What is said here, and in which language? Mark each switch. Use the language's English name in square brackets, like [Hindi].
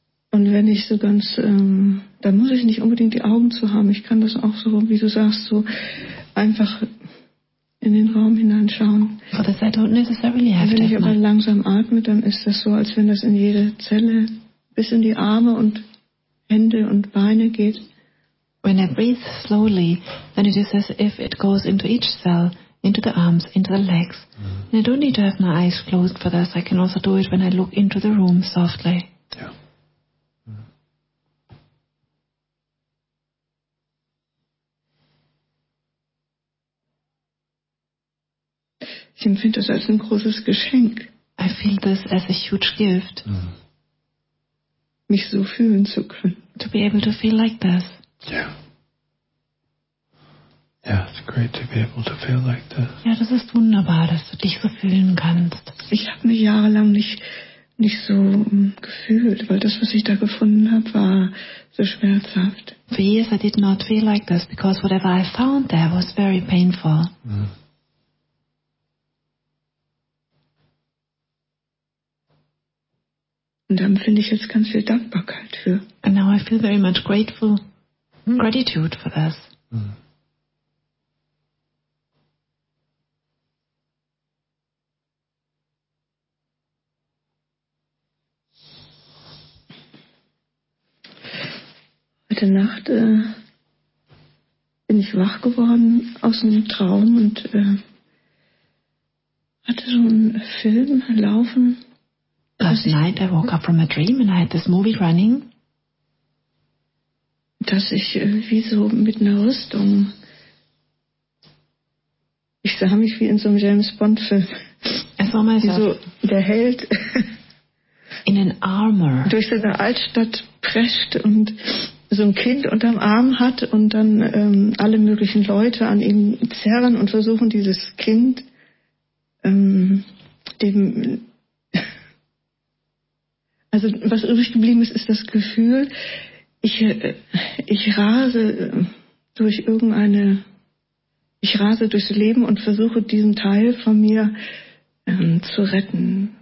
[German] Und wenn ich so ganz, da muss ich nicht unbedingt die Augen zu haben. Ich kann das auch so, wie du sagst, so einfach in den Raum hineinschauen. [English] For this, I don't necessarily have [German] wenn ich aber langsam atme, dann ist das so, als wenn das in jede Zelle bis in die Arme und Hände und Beine geht. [English] When I breathe slowly, then it is as if it goes into each cell, into the arms, into the legs. Mm-hmm. And I don't need to have my eyes closed for this. I can also do it when I look into the room softly. Yeah. [German] Mm-hmm. Ich empfinde das als ein großes Geschenk. [English] I feel this as a huge gift. [German] Mm-hmm. Mich so fühlen zu können. [English] To be able to feel like this. Yeah, it's great to be able to feel like that. [German] Ja, das ist wunderbar, dass du dich so fühlen kannst. Ich habe mich jahrelang nicht so gefühlt, weil das, was ich da gefunden habe, war so schmerzhaft. [English] For years I did not feel like this, because whatever I found there was very painful. [German] Und da empfinde ich jetzt ganz viel Dankbarkeit für. [English] And now I feel very much grateful. Gratitude for this. [German] Heute Nacht bin ich wach geworden aus einem Traum und hatte so einen Film laufen. [English] Last night I woke up from a dream and I had this movie running. [German] Dass ich wie so mit einer Rüstung, ich sah mich wie in so einem James Bond Film, wie so der Held [English] in an armor [German] durch so eine Altstadt prescht und so ein Kind unterm Arm hat und dann alle möglichen Leute an ihm zerren und versuchen, dieses Kind dem, also was übrig geblieben ist das Gefühl, ich rase durchs Leben und versuche, diesen Teil von mir zu retten.